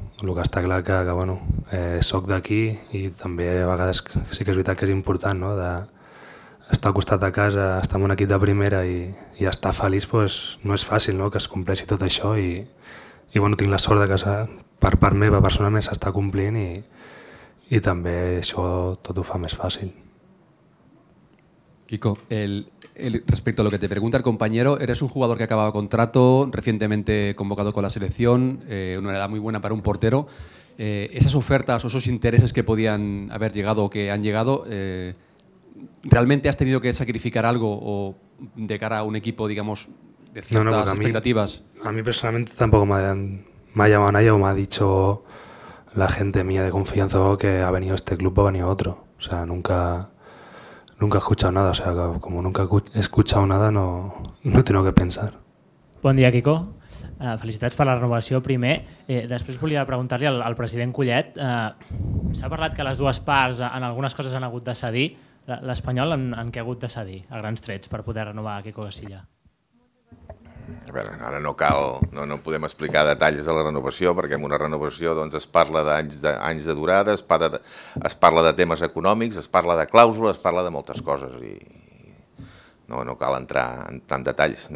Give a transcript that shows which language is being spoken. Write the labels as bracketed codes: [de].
[ca] El que està clar que bueno, soc d'aquí i també a vegades sí que és veritat que és important, no, de estar al costat de casa, estar en un equip de primera i estar feliç, pues, no és fàcil, no, que es compleixi tot això i bueno, tinc la sort de que per part meva personalment s'està complint i també això tot ho fa més fàcil. [es] Quico, respecto a lo que te pregunta el compañero, eres un jugador que acababa contrato, recientemente convocado con la selección, una edad muy buena para un portero. Esas ofertas o esos intereses que podían haber llegado o que han llegado, ¿realmente has tenido que sacrificar algo o de cara a un equipo, digamos, de ciertas expectativas? A mí personalmente tampoco me ha llamado nadie o me ha dicho la gente mía de confianza que ha venido este club o ha venido otro. O sea, nunca he escuchado nada, o sea, como nunca he escuchado nada, no he tenido que pensar. [ca] Bon dia, Quico. Felicitats per la renovació, primer. Després volia preguntar-li al president Collet. S'ha parlat que les dues parts en algunes coses han hagut de cedir. L'Espanyol en què ha hagut de cedir, a grans trets, per poder renovar Quico Casilla? A veure, ara no cal, no podem explicar detalls de la renovació, perquè en una renovació doncs, es parla d'anys de durada, es parla de temes econòmics, es parla de clàusules, es parla de moltes coses i no cal entrar en tant detalls.